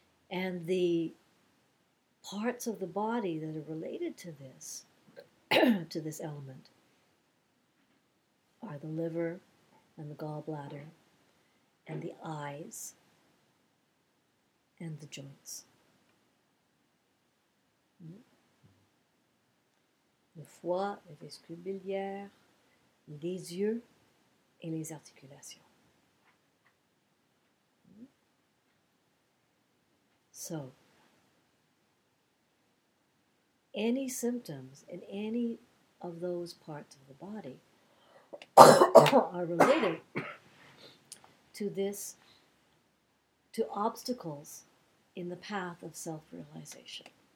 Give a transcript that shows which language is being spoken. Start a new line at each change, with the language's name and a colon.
English: And the parts of the body that are related to this to this element are the liver and the gallbladder and the eyes and the joints.
French: Le foie, les vésicules biliaires, les yeux et les articulations.
English: So, any symptoms in any of those parts of the body are related to this, to obstacles in the path of self-realization.